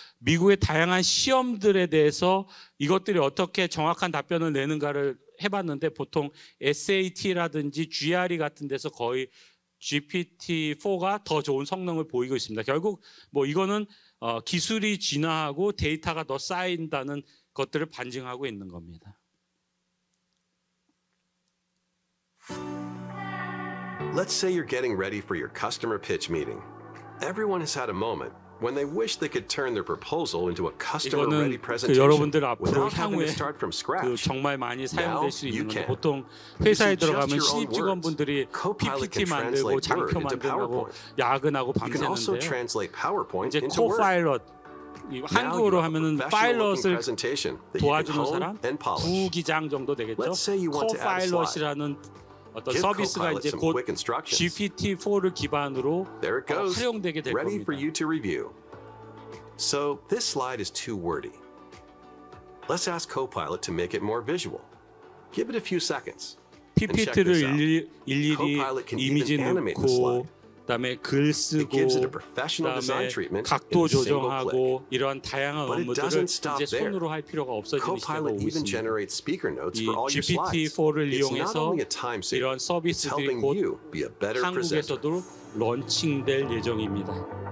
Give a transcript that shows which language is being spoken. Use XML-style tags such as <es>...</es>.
<ko>미국의 다양한 시험들에 대해서 이것들이 어떻게 정확한 답변을 내는가를 해봤는데 보통 SAT라든지 GRE 같은 데서 거의 GPT-4가 더 좋은 성능을 보이고 있습니다. 결국 뭐 이거는 기술이 진화하고 데이터가 더 쌓인다는 것들을 반증하고 있는 겁니다.</ko> <en>Let's say you're getting ready for your customer pitch meeting. Everyone has had a moment when they wish they could turn their proposal into a customer-ready presentation without having to start from scratch.</en> <ko>그 정말 많이 사용될 수 있는 건 보통 회사에 들어가면 신입 직원분들이 PPT 만들고 장표 만들고 야근하고 밤새는데요. 이제 코파일럿 한국어로 하면은 파일럿을 도와주는 사람, 부기장 정도 되겠죠. 코파일럿이라는 어떤 서비스가 이제 곧 GPT-4를 기반으로 활용되게 될</ko> <en>ready</en> <ko>겁니다.</ko> <en>For you to review. So, this slide is too wordy. Let's ask Copilot to make it more visual. Give it a few seconds.</en> <ko>PPT를 일일이 이미지 넣고 그다음에 글 쓰고 그다음에 각도 조정하고 이러한 다양한 업무들을 이제 손으로 할 필요가 없어지는 시대가 오고 있습니다. 이 GPT-4를 이용해서 이러한 서비스들이 곧 한국에서도 런칭될 예정입니다.</ko>